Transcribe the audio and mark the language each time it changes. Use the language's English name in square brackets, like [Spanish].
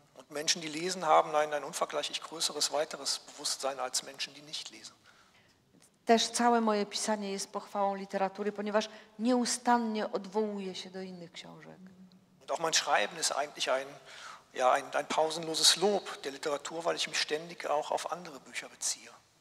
[German] Und Menschen, die lesen, haben ein unvergleichlich größeres, weiteres Bewusstsein als Menschen, die nicht lesen. [Polish] Też całe moje pisanie jest pochwałą literatury, ponieważ nieustannie odwołuję się do innych książek. [German] Und auch mein Schreiben ist eigentlich ein pausenloses Lob der Literatur, weil ich mich ständig auch auf andere Bücher beziehe.